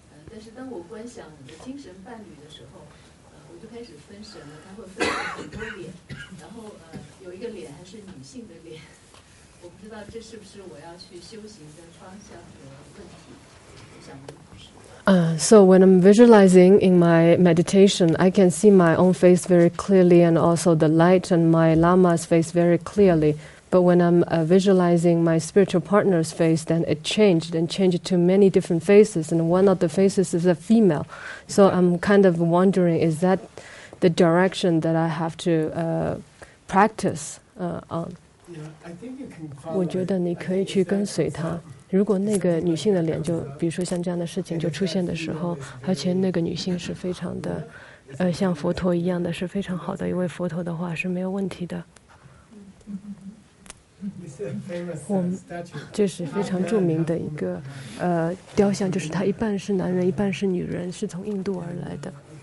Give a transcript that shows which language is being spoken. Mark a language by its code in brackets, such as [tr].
[zh] 但是当我观想我的精神伴侣的时候，我就开始分神了，他会分成很多脸，然后有一个脸还是女性的脸，我不知道这是不是我要去修行的方向和问题。 [en] So when I'm visualizing in my meditation, I can see my own face very clearly, and also the light and my lama's face very clearly. But when I'm visualizing my spiritual partner's face, then it changed and changed to many different faces, and one of the faces is a female. So I'm kind of wondering, is that the direction that I have to practice on? Yeah, I think you can follow it. [zh] 如果那个女性的脸就比如说像这样的事情就出现的时候，而且那个女性是非常的像佛陀一样的，是非常好的，因为佛陀的话是没有问题的。我这是非常著名的一个雕像，就是他一半是男人一半是女人，是从印度而来的。